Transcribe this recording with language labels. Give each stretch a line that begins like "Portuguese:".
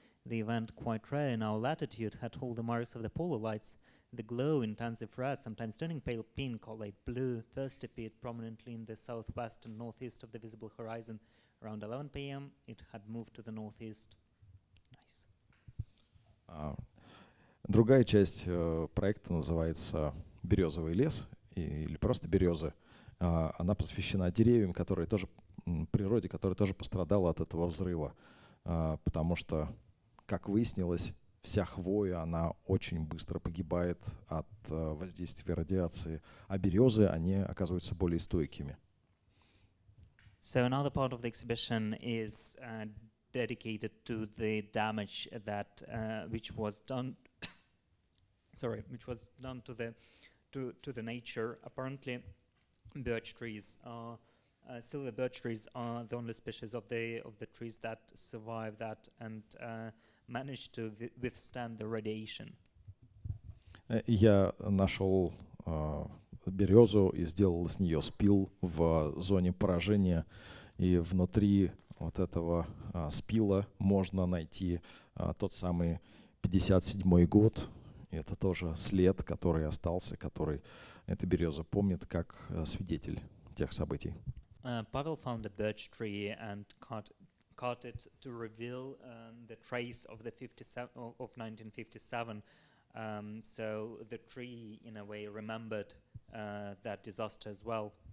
English: The event, quite rare in our latitude, had all the marks of the polar lights. The glow, intensive red, sometimes turning pale pink or light blue, first appeared prominently in the southwest and northeast of the visible horizon. Around 11 p.m., it had moved to the northeast.
Russian: Другая часть проекта называется «Березовый лес» или просто «Березы». Она посвящена деревьям, которые тоже, природе, которая тоже пострадала от этого взрыва, потому что, как выяснилось, вся хвоя, она очень быстро погибает от воздействия радиации, а березы, они оказываются более стойкими.
English: So another part of the exhibition is dedicated to the damage that which was done sorry which was done to the to the nature. Apparently birch trees are silver birch trees are the only species of the trees that survive that and manage to withstand the radiation.
Russian: Я нашел березу и сделал с нее спил в зоне поражения, и внутри вот этого спила можно найти тот самый 57-й год. И это тоже след, который остался, который эта береза помнит как свидетель тех событий.
English: Павел found a birch tree and cut it to reveal the trace of the 1957. So the tree in a way remembered that disaster as well.